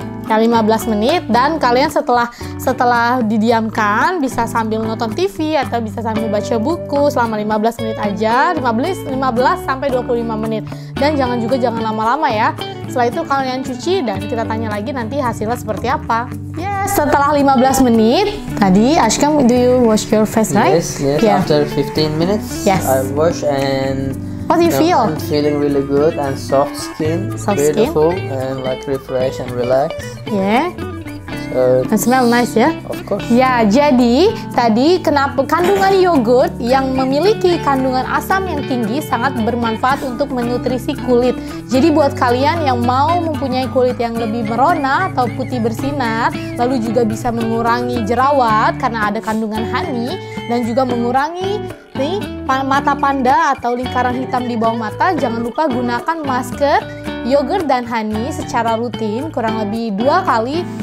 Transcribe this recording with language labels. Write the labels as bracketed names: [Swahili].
[Indonesian] Ya, 15 menit. Dan kalian setelah didiamkan bisa sambil nonton TV atau bisa sambil baca buku selama 15 menit aja. 15 sampai 25 menit. Dan jangan lama-lama ya. Setelah itu kalian cuci dan kita tanya lagi nanti hasilnya seperti apa. [English] Yes, [Indonesian] setelah 15 menit tadi, [English] Ashkam, do you wash your face, right? Yes, yes. Yeah. After 15 minutes, yes. I wash and what do you feel? I'm feeling really good and soft skin, soft beautiful skin. And like refresh and relax. Yeah. And smell nice, yeah. Of course. [Indonesian] Yeah, jadi tadi kenapa kandungan yogurt yang memiliki kandungan asam yang tinggi sangat bermanfaat untuk menutrisi kulit. Jadi buat kalian yang mau mempunyai kulit yang lebih merona atau putih bersinar, lalu juga bisa mengurangi jerawat karena ada kandungan honey dan juga mengurangi nih mata panda atau lingkaran hitam di bawah mata, jangan lupa gunakan masker yogurt dan honey secara rutin kurang lebih 2 kali.